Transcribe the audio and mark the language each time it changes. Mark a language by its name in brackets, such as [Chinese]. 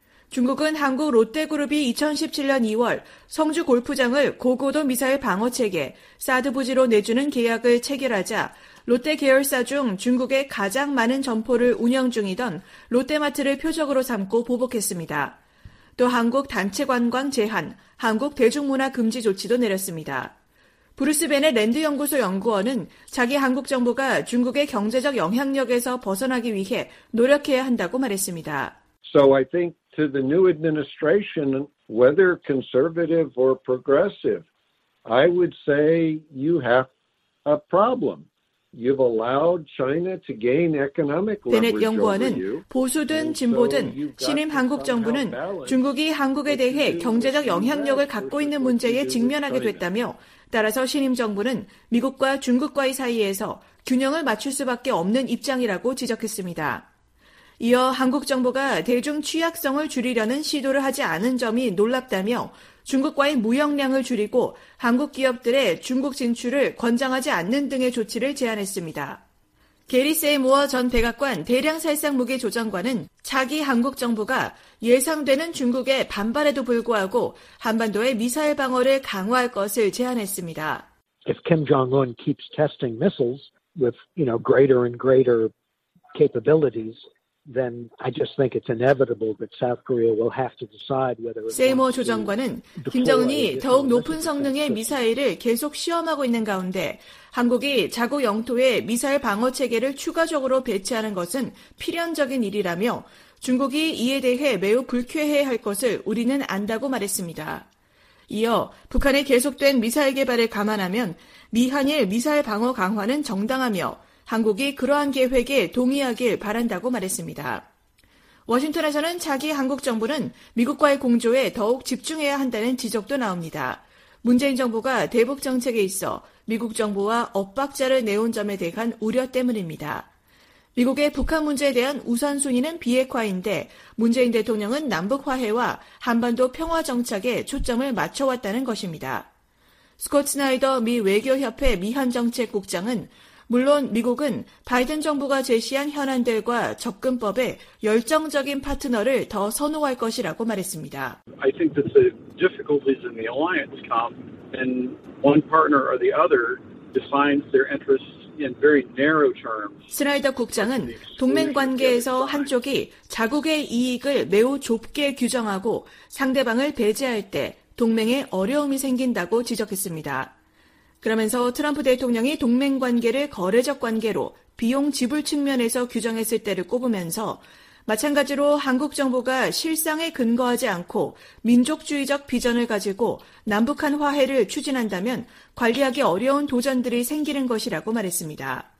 [Korean] 중국은 한국 롯데그룹이 2017년 2월 성주 골프장을 고고도 미사일 방어 체계, 사드 부지로 내주는 계약을 체결하자 롯데 계열사 중 중국에 가장 많은 점포를 운영 중이던 롯데마트를 표적으로 삼고 보복했습니다. 또 한국 단체 관광 제한, 한국 대중문화 금지 조치도 내렸습니다. 브루스 벤의 랜드 연구소 연구원은 자기 한국 정부가 중국의 경제적 영향력에서 벗어나기 위해 노력해야 한다고 말했습니다. [English] So I think to the new administration, whether conservative or progressive, I would say you have a problem. You've allowed China to gain economic leverage. [Korean] 베넷 연구원은 보수든 진보든 신임 한국 정부는 중국이 한국에 대해 경제적 영향력을 갖고 있는 문제에 직면하게 됐다며 따라서 신임 정부는 미국과 중국과의 사이에서 균형을 맞출 수밖에 없는 입장이라고 지적했습니다. 이어 한국 정부가 대중 취약성을 줄이려는 시도를 하지 않은 점이 놀랍다며 중국과의 무역량을 줄이고 한국 기업들의 중국 진출을 권장하지 않는 등의 조치를 제안했습니다. 게리 세이모어 전 백악관 대량살상무기 조정관은 차기 한국 정부가 예상되는 중국의 반발에도 불구하고 한반도의 미사일 방어를 강화할 것을 제안했습니다. [English] If Kim Jong-un keeps testing missiles with, you know, greater and greater capabilities, then I just think it's inevitable that South Korea will have to decide whether. [Korean] 세이머 조정관은 김정은이 더욱 높은 성능의 미사일을 계속 시험하고 있는 가운데 한국이 자국 영토에 미사일 방어 체계를 추가적으로 배치하는 것은 필연적인 일이라며 중국이 이에 대해 매우 불쾌해할 것을 우리는 안다고 말했습니다. 이어 북한의 계속된 미사일 개발을 감안하면 미한일 미사일 방어 강화는 정당하며 한국이 그러한 계획에 동의하길 바란다고 말했습니다. 워싱턴에서는 차기 한국 정부는 미국과의 공조에 더욱 집중해야 한다는 지적도 나옵니다. 문재인 정부가 대북 정책에 있어 미국 정부와 엇박자를 내온 점에 대한 우려 때문입니다. 미국의 북한 문제에 대한 우선순위는 비핵화인데 문재인 대통령은 남북 화해와 한반도 평화 정착에 초점을 맞춰왔다는 것입니다. 스콧 스나이더 미 외교협회 미한정책국장은 물론 미국은 바이든 정부가 제시한 현안들과 접근법에 열정적인 파트너를 더 선호할 것이라고 말했습니다. [English] I think that the difficulties in the alliance come and one partner or the other defines their interests in very narrow terms. [Korean] 스나이더 국장은 동맹 관계에서 한쪽이 자국의 이익을 매우 좁게 규정하고 상대방을 배제할 때 동맹에 어려움이 생긴다고 지적했습니다. 그러면서 트럼프 대통령이 동맹관계를 거래적 관계로 비용 지불 측면에서 규정했을 때를 꼽으면서 마찬가지로 한국 정부가 실상에 근거하지 않고 민족주의적 비전을 가지고 남북한 화해를 추진한다면 관리하기 어려운 도전들이 생기는 것이라고 말했습니다.